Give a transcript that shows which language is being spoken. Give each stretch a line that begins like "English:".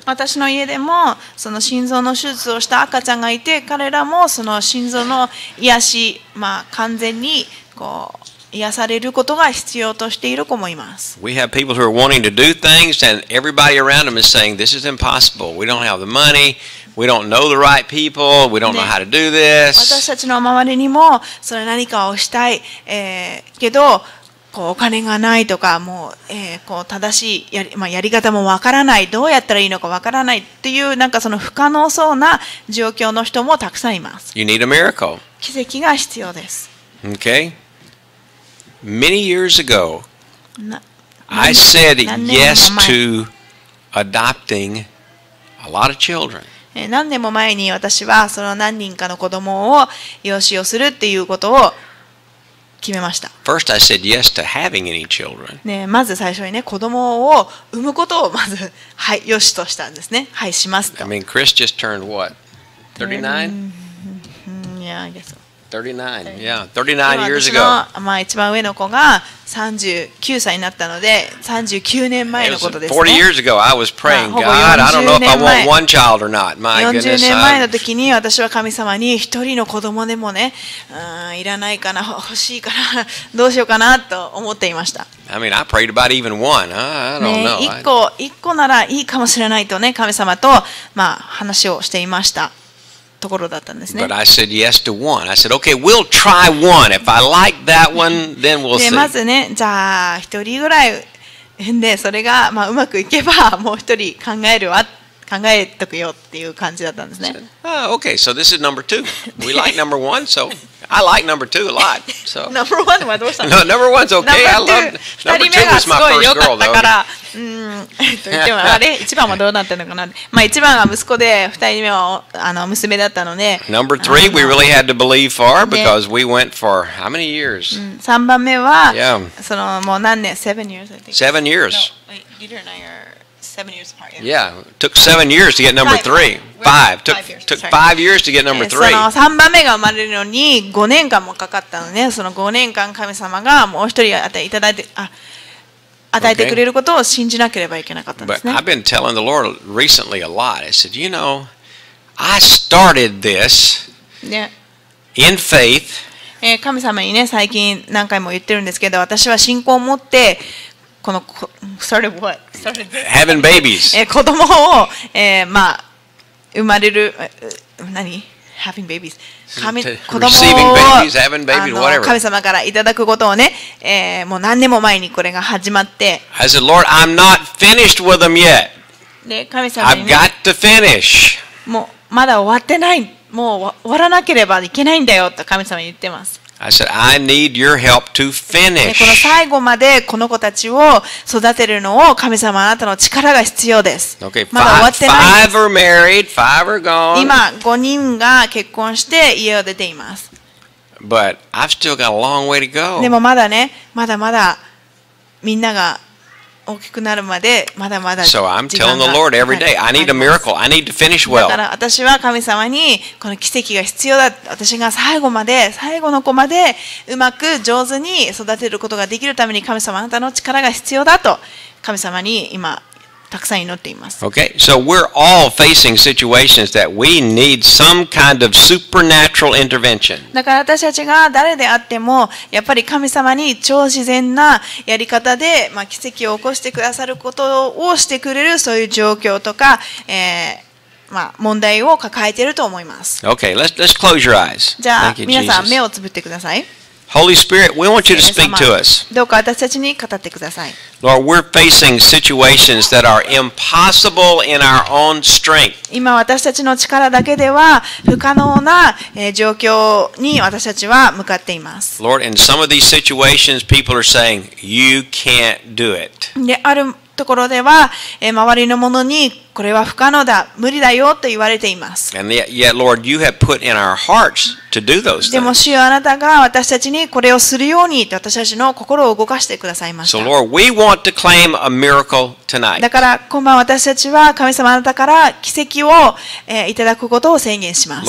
Japanese: 私の家でもその心臓の手術をした赤ちゃんがいて、彼らもその心臓の癒し、まあ完全にこう癒されることが必要としている子もいます。
English: We have people who are wanting to do things, and everybody around them is saying, "This is impossible. We don't have the money. We don't know the right people. We don't know how to do this."
Japanese: 私たちの周りにも、それ何かをしたい、けど、こうお金がないとか、もう、こう正しいやり、まあ、やり方もわからない、どうやったらいいのかわからないっていう、なんかその不可能そうな状況の人もたくさんいます。
English: You need a miracle.
Japanese: 奇跡が必要です。
English: Okay? Many years ago, I said yes to adopting a lot of children.
Japanese: 何年も前に私はその何人かの子供を養子をするっていうことを決めました。
English: First, I said yes to having any children.
Japanese: ね、まず最初にね、子供を産むことをまずはい、よしとしたんですね。はい、しますと。
English: I mean, Chris just turned what? 39? Yeah, I guess so. 39 years ago.
Japanese: 私の、まあ、一番上の子が39歳になったので、39年前のことですね。
English: 40 years ago, I was praying, God, I don't know if I want one child or not. My goodness. 40
Japanese: 年前の時に私は神様に一人の子供でもね、いらないかな、欲しいかな、どうしようかなと思っていました。
English: I mean, I prayed about even one. I don't know.
Japanese: 1個ならいいかもしれないとね、神様と、まあ、話をしていました。ところだったんですね。
English: But I said yes to one. I said, okay, we'll try one. If I like that one, then we'll see.
Japanese: まずね、じゃあ一人ぐらいでそれが、まあ、うまくいけばもう一人考えるわ、考えとくよっていう感じだったんですね。
English: Okay, so this is number two. We like number one, so I like number two a lot. So number one
Japanese: はどうしたの？
English: No, number one's okay. I love number two was my first girl though.
Japanese: あれ一番はどうなってるのかな、まあ、一番は息子で二人目はあの娘だったので
English: Number three, we really had to believe for because we went for how many years?
Japanese: 三番目は、
English: yeah.
Japanese: そのもう何年 ?
English: 7 years, I think. 7 years. No, wait, Dieter and I are 7 years apart. Yeah, yeah took 7 years to get number 3. Five years to get number three.
Japanese: その三番目が生まれるのに5年間もかかったので、その5年間神様がもう一人与えていただいて、あ与えてくれることを信じなければいけなかったんですね。
English: But I've been telling the Lord recently a lot. I said, you know, I started this in faith.
Japanese: 神様にね、最近何回も言ってるんですけど、私は信仰を持ってこの
English: started what? Started this. Having babies.
Japanese: 子供を、まあ、生まれる、何？
English: Having babies.
Japanese: 神、子供を
English: Receiving babies, having babies, whatever.
Japanese: 神様からいただくことをね、もう何年も前にこれが始まって。
English: I said, Lord, I'm not finished with them yet.
Japanese: ね、神様に、ね、
English: I've got to finish.
Japanese: もうまだ終わってない。もう終わらなければいけないんだよと神様に言ってます。
English: I said, I need your help to finish.
Japanese: この最後までこの子たちを育てるのを神様あなたの力が必要です。
English: Okay,
Japanese: まだ終わってないです。
English: Five are married, five are gone.
Japanese: 今、5人が結婚して家を出ています。
English: But I've still got a long way to go.
Japanese: でもまだね、まだまだみんなが大きくなるまでまだまだ時間が。
English: So I'm telling the Lord every day, I need a miracle. I need to finish well.
Japanese: だから私は神様にこの奇跡が必要だ。私が最後まで最後の子までうまく上手に育てることができるために神様あなたの力が必要だと神様に今たくさん祈っています。
English: Okay, so we're all facing situations that we need some kind of supernatural intervention.
Japanese: だから私たちが誰であってもやっぱり神様に超自然なやり方で、まあ、奇跡を起こしてくださることをしてくれるそういう状況とか、まあ、問題を抱えていると思います。
English: Okay, let's close your eyes.
Japanese: じゃあ皆さん目をつぶってください。
English: Holy Spirit, we want you to speak to us.
Japanese: どうか私たちに語ってください。
English: Lord, we're facing situations that are impossible in our own strength.
Japanese: 今私たちの力だけでは不可能な状況に私たちは向かっています。
English: Lord, in some of these situations, people are saying, "You can't do it."
Japanese: であるところでは周りの者にこれは不可能だ、無理だよと言われています。
English: And yet, Lord, you have put in our hearts to do those things.
Japanese: でも主よ、あなたが私たちにこれをするようにと私たちの心を動かしてくださいました。
English: So, Lord, we want to claim a miracle tonight.
Japanese: だから今晩私たちは神様あなたから奇跡を、いただくことを宣言します。